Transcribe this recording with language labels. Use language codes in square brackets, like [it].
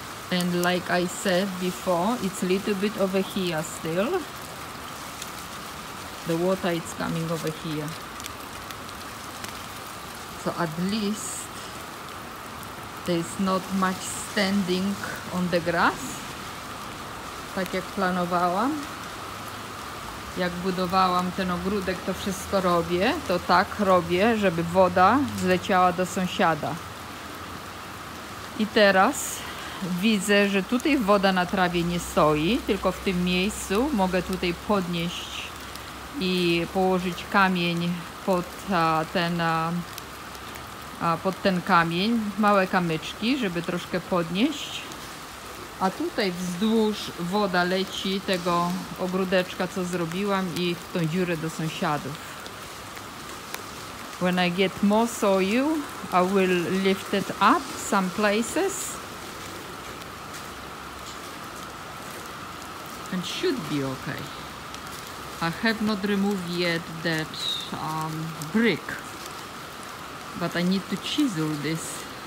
[en] And like I said before, it's a little bit over here still. The water is coming over here. So at least there's not much standing on the grass. [pl] Tak jak planowałam. Jak budowałam ten ogródek, to wszystko robię. To tak robię, żeby woda zleciała do sąsiada. I teraz widzę, że tutaj woda na trawie nie stoi, tylko w tym miejscu mogę tutaj podnieść i położyć kamień pod ten kamień, małe kamyczki, żeby troszkę podnieść. A tutaj wzdłuż woda leci tego ogródeczka, co zrobiłam, i w tą dziurę do sąsiadów. [en] When I get more soil, I will lift it up some places. And should be okay. I have not removed yet that brick, but I need to chisel this.